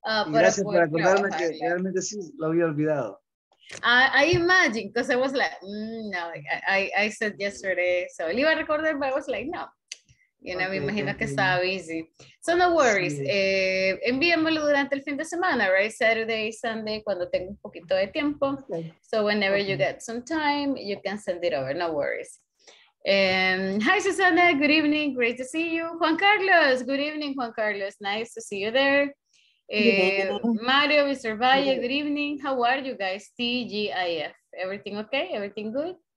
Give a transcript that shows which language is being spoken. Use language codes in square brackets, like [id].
[es] Gracias por acordarme que realmente sí lo había olvidado. [en] I imagine, because I was like, no, I said yesterday. [es] So le iba a recordar, but I was like, no. You know, okay, me imagino que estaba busy. So no worries. Sí. Envíamelo durante el fin de semana, right? Saturday, Sunday, cuando tengo un poquito de tiempo. [en] Okay. So whenever you get some time, you can send it over. No worries. Hi, Susana. Good evening. Great to see you. Juan Carlos. Good evening, Juan Carlos. Nice to see you there. Mario, Mr. Valle. Yeah. Good evening. How are you guys? TGIF. Everything okay? Everything good?